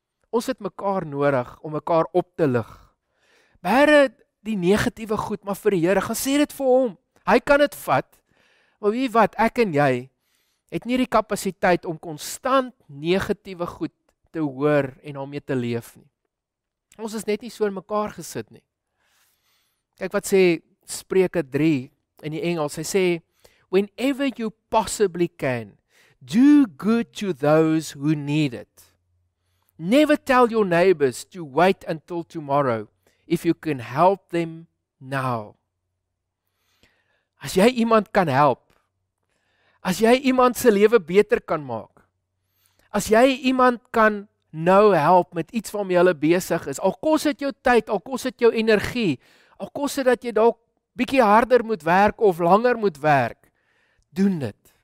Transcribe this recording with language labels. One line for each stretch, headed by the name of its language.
Afrikaans: Ons het mekaar nodig om mekaar op te lig. Bære die negatiewe goed, maar vir die Here, gaan sê dit vir hom. Hy kan dit vat. Maar weet wat, ek en jy het nie die kapasiteit om konstant negatiewe goed te hoor en daarmee te leef nie. Ons is net nie so in mekaar gesit nie. Kyk wat sê Spreuke 3 in die Engels, hy sê,
English: whenever you possibly can, do good to those who need it. Never tell your neighbors to wait until tomorrow. if you can help them now.
Afrikaans: As jy iemand kan help, as jy iemand se lewe beter kan maak, as jy iemand kan nou help met iets waarmee hulle besig is, al kos dit jou tyd, al kos dit jou energie, al kos dit dat jy dalk bietjie harder moet werk of langer moet werk, doen dit.